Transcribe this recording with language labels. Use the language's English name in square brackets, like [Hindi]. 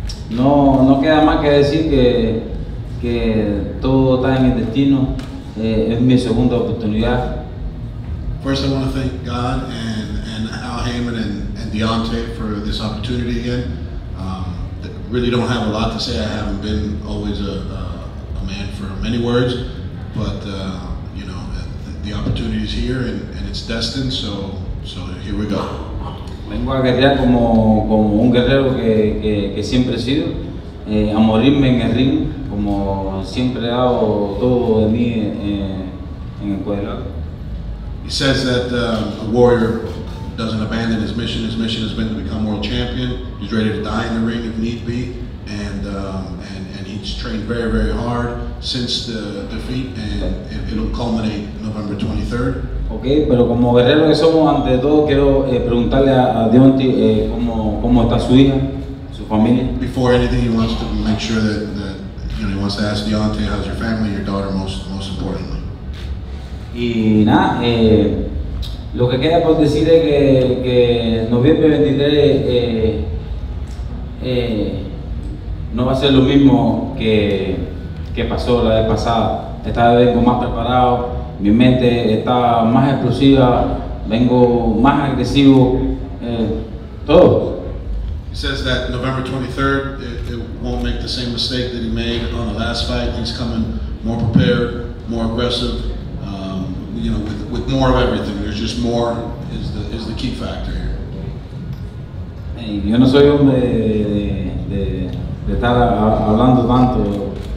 [Spanish] No queda más que decir que todo está en el destino. Es mi segunda oportunidad. [English] First, I want to thank God and Al Haymon and Deontay for this opportunity again. Really don't have a lot to say. I haven't been always a man for many words, but you know, the opportunity is here and it's destined. So here we go. [Spanish] Vengo a guerrear como un guerrero que siempre he sido, a morirme en el ring, como siempre he dado todo de mí en el cuadrado. [English] He says that a warrior doesn't abandon his mission. His mission has been to become world champion. He's ready to die in the ring if need be. And he's trained very, very hard since the defeat, and it'll culminate November 23rd. [Spanish] Okay, pero como guerrero que somos, ante todo quiero preguntarle a Deontay cómo está su hija, su familia. [English] Before anything, he wants to make sure that you know, he wants to ask Deontay, how's your family, your daughter, most importantly. [Spanish] Y nada, lo que queda por decir es que noviembre 23 no va a ser lo mismo que pasó la vez pasada. Esta vez vengo más preparado. Mi mente está más explosiva, vengo más agresivo, todo. [English] He says that November 23rd, it won't make the same mistake that he made on the last fight. He's coming more prepared, more aggressive, you know, with more of everything. There's just more is the key factor here. [Spanish] Hey, yo no soy hombre de estar hablando tanto.